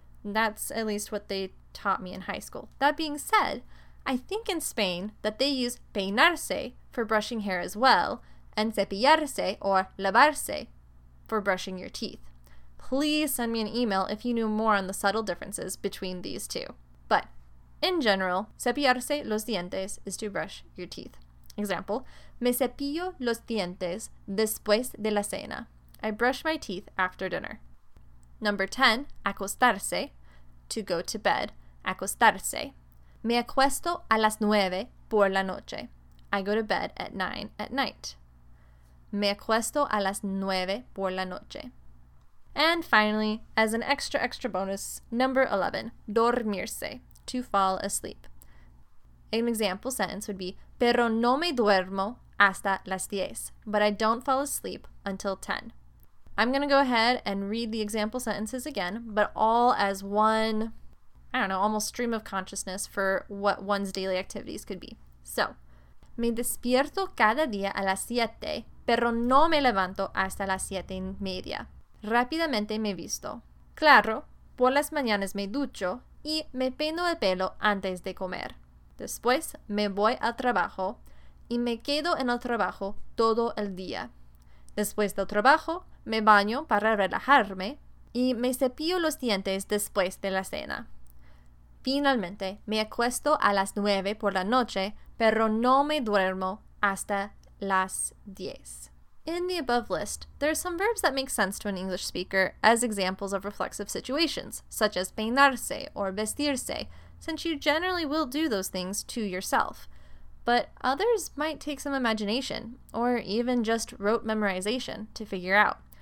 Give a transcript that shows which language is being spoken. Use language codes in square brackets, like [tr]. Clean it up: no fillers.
[en] That's at least what they taught me in high school. That being said, I think in Spain that they use peinarse for brushing hair as well, and cepillarse or lavarse for brushing your teeth. Please send me an email if you knew more on the subtle differences between these two. But in general, [es] cepillarse los dientes [en] is to brush your teeth. [es] Example, me cepillo los dientes después de la cena. [en] I brush my teeth after dinner. Number 10, acostarse, to go to bed. Acostarse. [es] Me acuesto a las 9 por la noche. [en] I go to bed at 9 at night. [es] Me acuesto a las 9 por la noche. [en] And finally, as an extra bonus, number 11, dormirse, to fall asleep. An example sentence would be, [es] pero no me duermo hasta las 10, [en] but I don't fall asleep until 10. I'm going to go ahead and read the example sentences again, but all as one, I don't know, almost stream of consciousness for what one's daily activities could be. [es] So, me despierto cada día a las 7, pero no me levanto hasta las 7:30. Rápidamente me visto. Claro, por las mañanas me ducho y me peino el pelo antes de comer. Después, me voy al trabajo y me quedo en el trabajo todo el día. Después del trabajo, me baño para relajarme y me cepillo los dientes después de la cena. Finalmente, me acuesto a las 9 por la noche, pero no me duermo hasta las 10. [en] In the above list, there are some verbs that make sense to an English speaker as examples of reflexive situations, such as peinarse or vestirse, since you generally will do those things to yourself. But others might take some imagination, or even just rote memorization, to figure out.